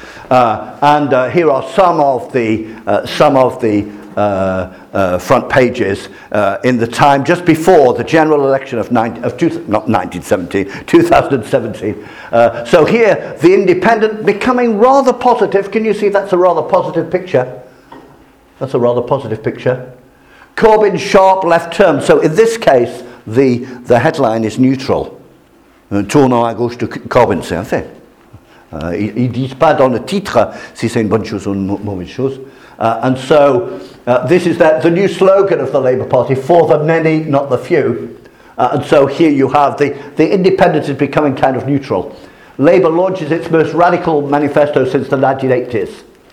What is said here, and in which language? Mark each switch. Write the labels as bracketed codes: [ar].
[en] And here are some of the front pages in the time just before the general election of 2017. So here, the Independent becoming rather positive. Can you see that's a rather positive picture? That's a rather positive picture. Corbyn sharp left turn. So in this case, the headline is neutral. [fr] Tournant à gauche de Corbyn, c'est un fait. Ils ne disent pas dans le titre si c'est une bonne chose ou une mauvaise chose. [en] And so this is the new slogan of the Labour Party, for the many, not the few. And so here you have the Independent is becoming kind of neutral. Labour launches its most radical manifesto since the 1980s.